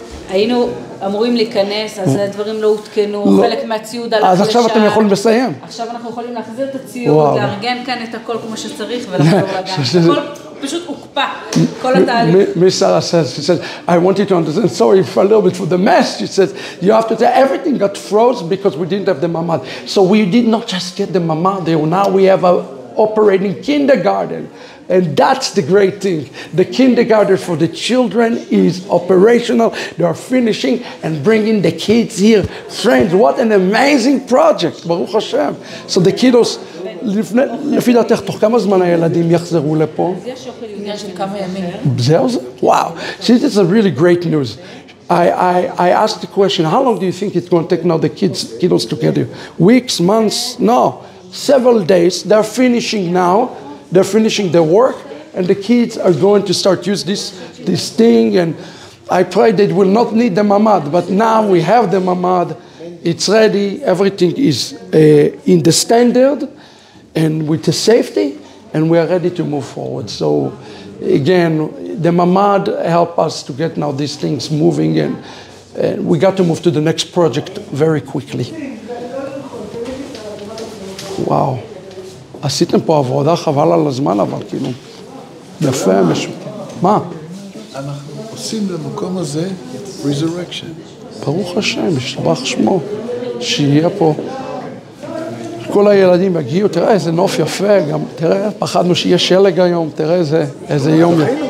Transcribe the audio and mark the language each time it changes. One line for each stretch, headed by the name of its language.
Hebrew: היינו אמורים להיכנס, אז הדברים לא הותקנו, חלק מהציוד הלך לשם. אז עכשיו אתם יכולים לסיים. עכשיו אנחנו יכולים להחזיר את הציוד, לארגן כאן את הכל כמו שצריך ולחזור לגן. הכל פשוט הוקפה כל התהליך.
English: Miss Sarah says, she says, I want you to understand, sorry for a little bit for the mess. She says, you have to say, everything got froze because we didn't have the mamad. So we did not just get the mamad there. Now we have a operating kindergarten. And that's the great thing. The kindergarten for the children is operational. They are finishing and bringing the kids here. Friends, what an amazing project.
Hebrew: Baruch Hashem.
English: So the kiddos,
Hebrew: לפי דעתך, תוך כמה זמן הילדים יחזרו לפה? יש שוכל עניין של כמה ימים. זהו זה? Wow.
English: See, this is a really great news. I asked the question, how long do you think it's going to take now the kiddos to get here? Weeks, months? No. Several days. They're finishing now. They're finishing their work, and the kids are going to start use this thing, and I pray they will not need the mamad, but now we have the mamad, it's ready, everything is in the standard, and with the safety, and we are ready to move forward. So again, the mamad help us to get now these things moving, and we got to move to the next project very quickly. Wow.
Hebrew: עשיתם פה עבודה חבל על הזמן, אבל כאילו, יפה, מה? אנחנו עושים למקום הזה resurrection. ברוך השם, ישבח שמו, שיהיה פה. כל הילדים יגיעו, תראה איזה נוף יפה, גם תראה, פחדנו שיהיה שלג היום, תראה איזה יום.